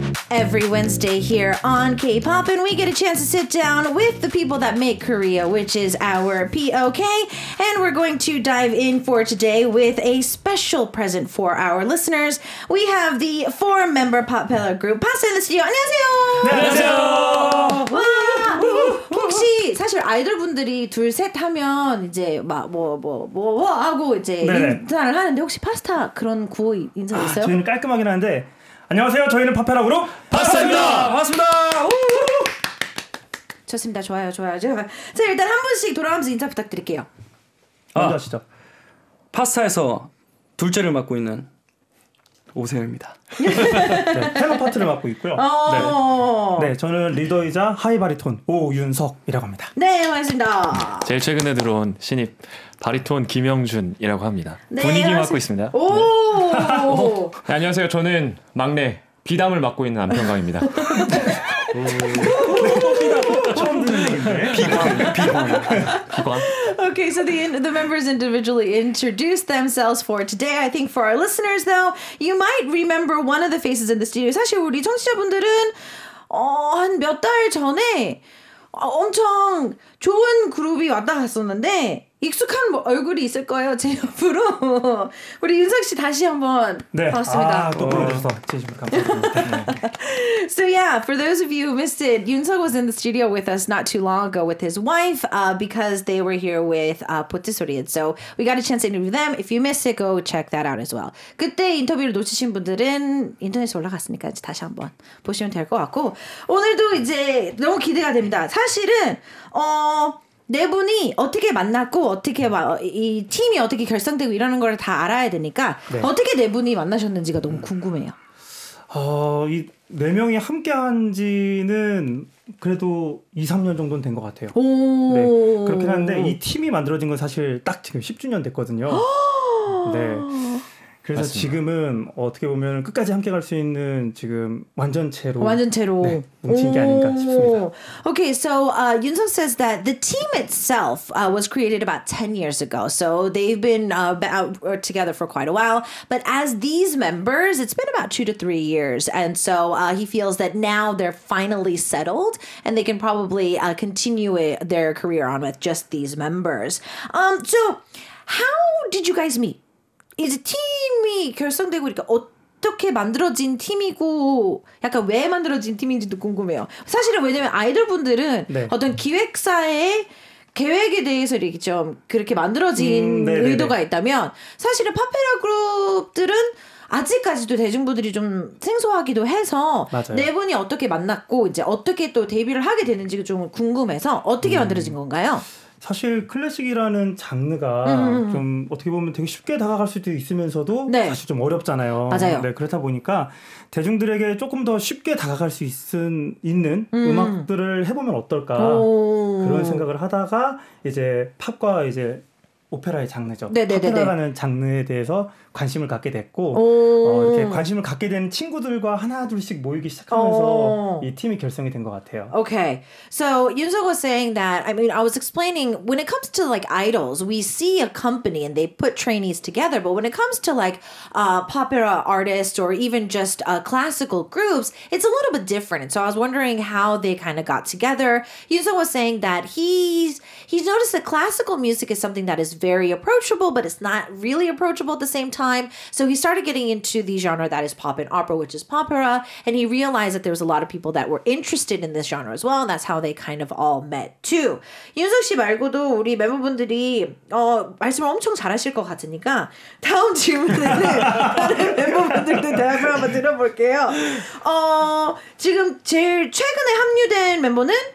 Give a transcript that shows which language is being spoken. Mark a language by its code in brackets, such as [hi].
[en] Every Wednesday here on K-Pop, and we get a chance to sit down with the people that make Korea, which is our POK, and we're going to dive in for today with a special present for our listeners. We have the four-member Potbelly group, Pasta in the studio. [ko] 안녕하세요! 안녕하세요! 혹시 사실 아이돌분들이 둘, 셋 하면 이제 막 뭐 하고 이제 인사를 하는데 혹시 파스타 그런 구호 인사 있어요? 저희는 깔끔하긴 한데 안녕하세요. 저희는 파페라 그룹 파스타입니다. 반갑습니다. 좋습니다. 좋아요. 자, 일단 한 분씩 돌아가면서 인사 부탁드릴게요. 먼저 하시죠. 파스타에서 둘째를 맡고 있는 오세요입니다. 네, 테너 파트를 맡고 있고요. 네, 저는 리더이자 하이바리톤 오윤석이라고 합니다. 네, 반갑습니다. 제일 최근에 들어온 신입 바리톤 김영준이라고 합니다. 네, 분위기 맡고 있습니다. 오~ 네. 오~ 네, 안녕하세요. 저는 막내 비담을 맡고 있는 안평강입니다. [en] Okay, so the members individually introduced themselves for today. I think for our listeners, though, you might remember one of the faces in the studio. [ko] 사실 우리 청취자분들은 한 몇 달 전에 엄청 좋은 그룹이 왔다 갔었는데 익숙한 얼굴이 있을 거예요, 제 옆으로. 우리 윤석 씨 다시 한번 네. 반갑습니다. 아, 또 불러주셔서 감사합니다. [en] So yeah, for those of you who missed it, Yoon-seok was in the studio with us not too long ago with his wife because they were here with Potisori. And so we got a chance to interview them. If you missed it, go check that out as well. [ko] 그때 인터뷰를 놓치신 분들은 인터넷에 올라갔으니까 이제 다시 한번 보시면 될 것 같고 오늘도 이제 너무 기대가 됩니다. 사실은 네 분이 어떻게 만났고 어떻게 이 팀이 어떻게 결성되고 이러는 걸 다 알아야 되니까 네. 어떻게 네 분이 만나셨는지가 너무 궁금해요. 이 네 명이 함께한 지는 그래도 2, 3년 정도는 된 것 같아요. 오~ 네, 그렇긴 한데 이 팀이 만들어진 건 사실 딱 지금 10주년 됐거든요. 네. 그래서 맞습니다. 지금은 어떻게 보면 끝까지 함께 갈 수 있는 지금 완전체로 네, 뭉친 게 아닌가 싶습니다. [en] Okay, so Yoon-seok says that the team itself was created about 10 years ago. So they've been together for quite a while. But as these members, it's been about 2 to 3 years. And so he feels that now they're finally settled and they can probably continue their career on with just these members. So how did you guys meet? [ko] 이제 팀이 결성되고 그러니까 어떻게 만들어진 팀이고 약간 왜 만들어진 팀인지도 궁금해요. 사실은 왜냐면 아이돌분들은 네. 어떤 기획사의 계획에 대해서 이렇게 좀 그렇게 만들어진 의도가 있다면 사실은 파페라 그룹들은 아직까지도 대중분들이 좀 생소하기도 해서 맞아요. 네 분이 어떻게 만났고 이제 어떻게 또 데뷔를 하게 되는지 좀 궁금해서 어떻게 만들어진 건가요? 사실 클래식이라는 장르가 좀 어떻게 보면 되게 쉽게 다가갈 수도 있으면서도 네. 사실 좀 어렵잖아요. 맞아요. 네, 그렇다 보니까 대중들에게 조금 더 쉽게 다가갈 수 있는 음악들을 해보면 어떨까 그런 생각을 하다가 이제 팝과 이제 오페라의 장르죠. 네네네네. 파페라라는 장르에 대해서 관심을 갖게 됐고 이렇게 관심을 갖게 된 친구들과 하나 둘씩 모이기 시작하면서 이 팀이 결성이 된 것 같아요. [en] Okay. So Yoon-seok was saying that I mean I was explaining when it comes to like idols, we see a company and they put trainees together, but when it comes to like popera artists or even just classical groups, it's a little bit different. So I was wondering how they kind of got together. Yoon-seok was saying that he's noticed that classical music is something that is very approachable, but it's not really approachable at the same time. So he started getting into the genre that is pop and opera, which is popera, and he realized that there was a lot of people that were interested in this genre as well, and that's how they kind of all met too. [ko] 윤석 씨 말고도 우리 멤버분들이 말씀을 엄청 잘하실 것 같으니까 다음 질문에는 다른 멤버분들도 대답을 한번 들어볼게요. 지금 제일 최근에 합류된 멤버는?